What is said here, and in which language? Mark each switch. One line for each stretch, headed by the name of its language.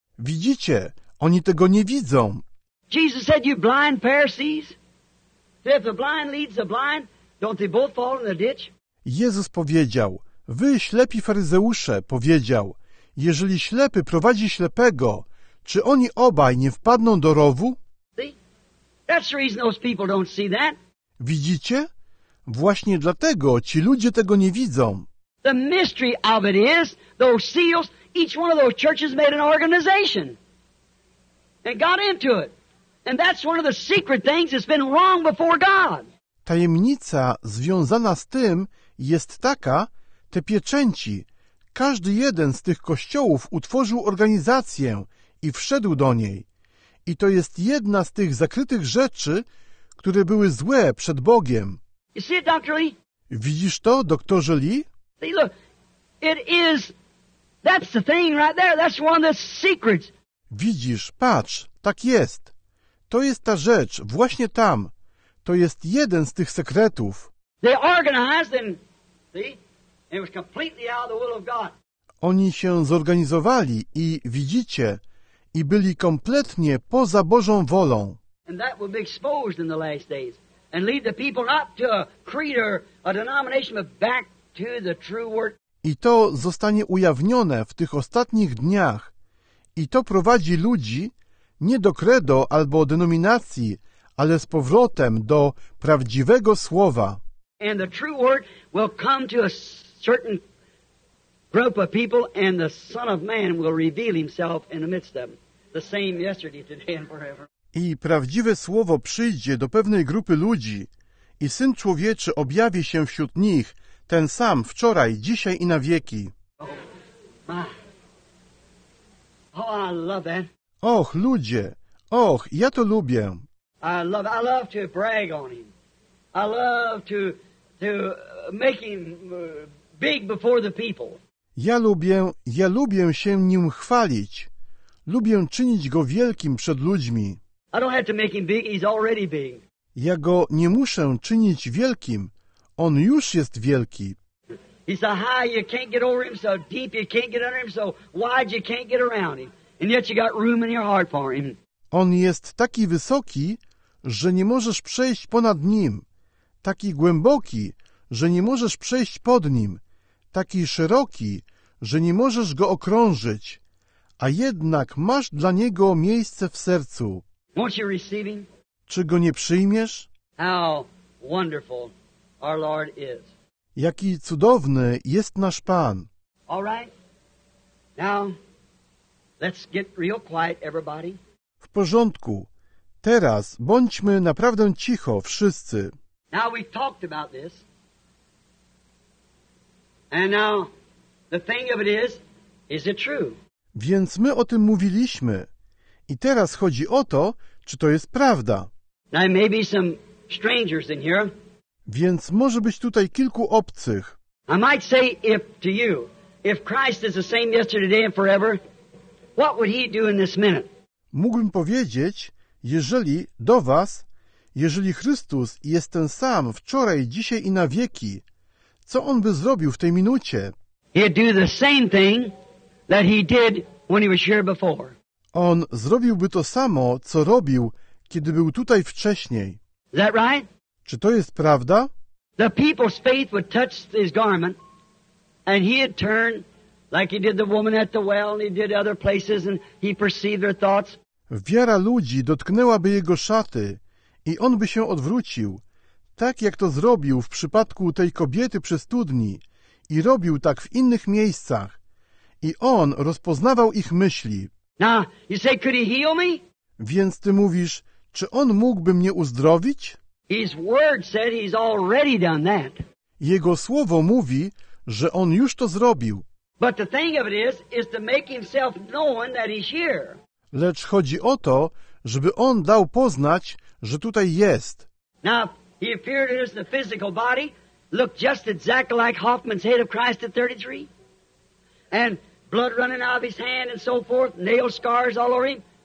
Polish: Widzicie, oni tego nie widzą.
English: Jesus said, you blind Pharisees, that if the blind leads the blind, don't they both fall in the ditch?
Polish: Jezus powiedział, wy ślepi faryzeusze, powiedział, jeżeli ślepy prowadzi ślepego, czy oni obaj nie wpadną do rowu?
English: See? That's the reason those people don't see that.
Polish: Widzicie? Właśnie dlatego ci ludzie tego nie widzą.
English: The mystery of it is, those seals, each one of those churches made an organization and got into it. And that's one of the secret things that's been wrong before God.
Polish: Tajemnica związana z tym jest taka, te pieczęci. Każdy jeden z tych kościołów utworzył organizację i wszedł do niej. I to jest jedna z tych zakrytych rzeczy, które były złe przed Bogiem.
English: You see it, Dr. Lee?
Polish: Widzisz to, doktorze Lee?
English: See, look, it is, that's the thing right there, that's one of the secrets.
Polish: Widzisz, patrz, tak jest. To jest ta rzecz, właśnie tam. To jest jeden z tych sekretów.
English: They organized and, see? And it was completely out of the will of God.
Polish: Oni się zorganizowali i widzicie, i byli kompletnie poza Bożą wolą.
English: And that will be exposed in the last days. And lead the people not to a creed or a denomination, but back to the true word.
Polish: I to zostanie ujawnione w tych ostatnich dniach. I to prowadzi ludzi nie do credo albo denominacji, ale z powrotem do prawdziwego słowa.
English: And the true word will come to a certain group of people, and the Son of Man will reveal himself in the midst of them. The same yesterday, today and forever.
Polish: I prawdziwe słowo przyjdzie do pewnej grupy ludzi i Syn Człowieczy objawi się wśród nich, ten sam wczoraj, dzisiaj i na wieki.
English: Oh, oh, I love that.
Polish: Och, ludzie, och, ja to lubię.
English: I love to brag on him. I love to make him big before the people.
Polish: Ja lubię się nim chwalić. Lubię czynić go wielkim przed ludźmi.
English: I don't have to make him big, he's already big.
Polish: Ja go nie muszę czynić wielkim. On już jest wielki.
English: He's so high you can't get over him, so deep you can't get under him, so wide you can't get around him. And yet you got room in your heart for him.
Polish: On jest taki wysoki, że nie możesz przejść ponad nim. Taki głęboki, że nie możesz przejść pod nim. Taki szeroki, że nie możesz go okrążyć. A jednak masz dla niego miejsce w sercu.
English: Won't you receive him?
Polish: Czy go nie przyjmiesz?
English: How wonderful our Lord is.
Polish: Jaki cudowny jest nasz Pan.
English: All right. Now, let's get real quiet, everybody.
Polish: W porządku. Teraz bądźmy naprawdę cicho, wszyscy.
English: Now we've talked about this. And now, the thing of it is it true?
Polish: Więc my o tym mówiliśmy. I teraz chodzi o to, czy to jest prawda.
English: Now, there may be some strangers in here.
Polish: Więc może być tutaj kilku obcych.
English: I might say if to you, if Christ is the same yesterday, today and forever, what would he do in this minute?
Polish: Mógłbym powiedzieć, jeżeli do was, jeżeli Chrystus jest ten sam wczoraj, dzisiaj i na wieki, co on by zrobił w tej minucie?
English: He'd do the same thing that he did when he was here before.
Polish: On zrobiłby to samo, co robił, kiedy był tutaj wcześniej.
English: Is that right?
Polish: Czy to jest prawda?
English: The people's faith would touch his garment, and he'd turn like he did the woman at the well, and he did other places, and he perceived their thoughts.
Polish: Wiara ludzi dotknęłaby jego szaty, i on by się odwrócił, tak jak to zrobił w przypadku tej kobiety przy studni, i robił tak w innych miejscach, i on rozpoznawał ich myśli.
English: Now, you say, could he heal me?
Polish: Więc ty mówisz, czy on mógłby mnie uzdrowić?
English: His word said he's already done that.
Polish: Jego słowo mówi, że on już to zrobił.
English: But the thing of it is to make himself known that he's here.
Polish: Lecz chodzi o to, żeby on dał poznać, że tutaj jest.
English: Now, he appeared in the physical body, looked just exactly like Hoffman's head of Christ at 33, and blood running out of his hand and so forth, nail scars all over him.